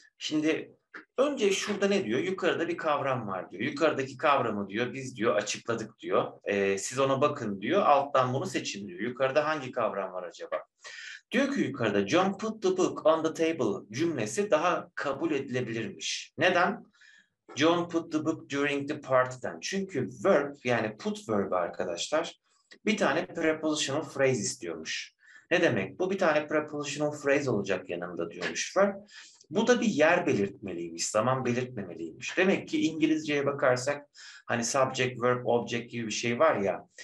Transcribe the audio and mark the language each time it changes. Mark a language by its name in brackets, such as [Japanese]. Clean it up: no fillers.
[Turkish] Şimdi önce şurada ne diyor? Yukarıda bir kavram var diyor. Yukarıdaki kavramı diyor biz diyor açıkladık diyor. Siz ona bakın diyor. Alttan bunu seçin diyor. Yukarıda hangi kavram var acaba? Diyor ki yukarıda [English] John put the book on the table [Turkish] cümlesi daha kabul edilebilirmiş. Neden? [English] John put the book during the party'den. [Turkish] Çünkü verb yani put verb arkadaşlar bir tane prepositional phrase istiyormuş. Ne demek? Bu bir tane prepositional phrase olacak yanında diyormuş verb. Bu da bir yer belirtmeliymiş, zaman belirtmemeliymiş. Demek ki İngilizceye bakarsak hani subject, verb, object gibi bir şey var ya.